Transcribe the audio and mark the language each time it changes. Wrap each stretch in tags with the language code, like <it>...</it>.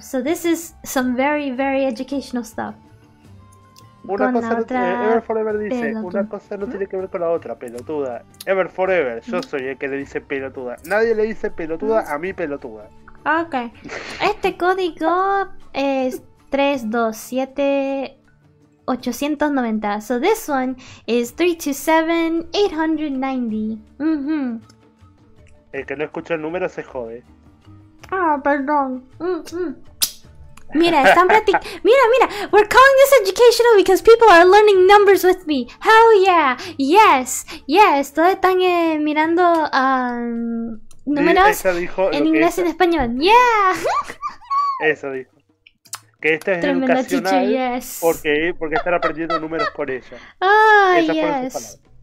<en>So this is some very, very educational stuff.</en> <es>Una cosa no tiene que ver con la otra, pelotuda. Ever Forever, yo soy el que le dice pelotuda. Nadie le dice pelotuda a mi pelotuda. Ok. Este código es 327-890.</es> <en>So this one is 327-890.</en> <es>El que no escucha el número se jode. Ah, perdón. Mira, están practicando. Mira,</es> <en>we're calling this educational because people are learning numbers with me. Hell yeah, yes.</en> <es>Todos están mirando números en inglés y en español.</es> <en>Yeah.</en> <es>Eso dijo. Que esta es tremendo educacional.</es> <en>Teacher, yes.</en> <es>Porque están aprendiendo números por ella.</es> <en>Ah, oh, yes.</en>